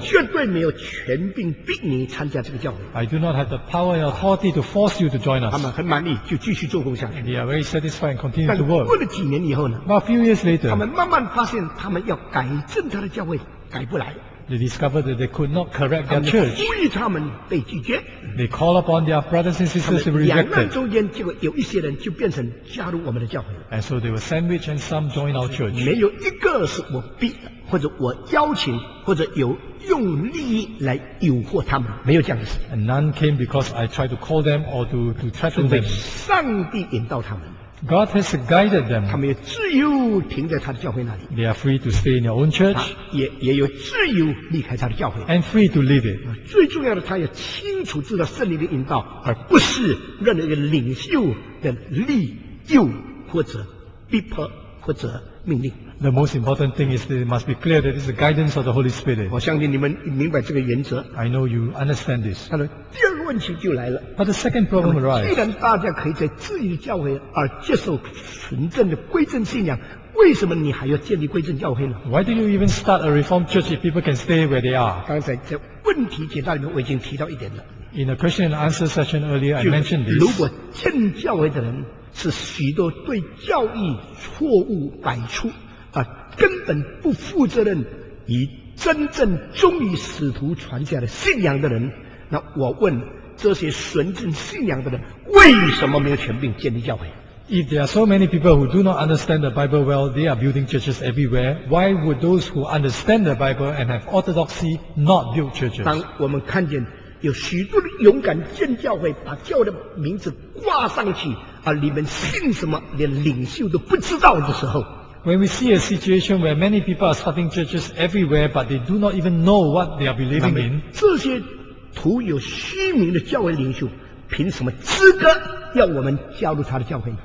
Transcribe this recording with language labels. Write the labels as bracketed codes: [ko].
[zh] 绝对没有权柄逼你参加这个教会。 [en] I do not have the power and authority to force you to join us. [zh] 他们很满意，就继续做工下去。 [en] They are very satisfied and continue to work. [zh] 过了几年以后呢？ [en] But a few years later, [zh] 他们慢慢发现，他们要改正他的教会，改不来。 [en] They discovered that they could not correct their church. [zh] 他们呼吁他们被拒绝。 [en] They call upon their brothers and sisters to be rejected. [zh] 他们两难中间，结果有一些人就变成加入我们的教会。 [en] And so they were sandwiched and some joined our church. [zh] 没有一个是我逼的，或者我邀请，或者有用利益来诱惑他们，没有这样的事。 [en] And none came because I tried to call them or to threaten them. [zh] 上帝引导他们。 [en] God has guided them. [zh] 他们也自由停在他的教会那里。 [en] They are free to stay in their own church. [zh] 也有自由离开他的教会。 [en] And free to leave it. [zh] 最重要的，他也清楚知道圣灵的引导，而不是任何一个领袖的利诱或者逼迫或者命令。 [en] The most important thing is it must be clear that it's the guidance of the Holy Spirit. [zh] 我相信你们明白这个原则。 [en] I know you understand this. [zh] 他说第二个问题就来了。 [en] But the second problem arises. [zh] 既然大家可以在自己的教会而接受纯正的归正信仰，为什么你还要建立归正教会呢？ [en] Why do you even start a Reformed Church if people can stay where they are? [zh] 刚才在问题解答里面我已经提到一点了。 [en] In a question and answer session earlier, I mentioned this. [zh] 如果建教会的人是许多对教义错误百出，而根本不负责任，以真正忠于使徒传下的信仰的人，那我问这些纯正信仰的人，为什么没有权柄建立教会？ [en] If there are so many people who do not understand the Bible well, they are building churches everywhere. Why would those who understand the Bible and have orthodoxy not build churches? [zh] 当我们看见有许多勇敢建教会，把教会的名字挂上去，而你们信什么，连领袖都不知道的时候。 [en] When we see a situation where many people are starting churches everywhere, but they do not even know what they are believing in, [zh] 这些徒有虚名的教会领袖，凭什么资格要我们加入他的教会？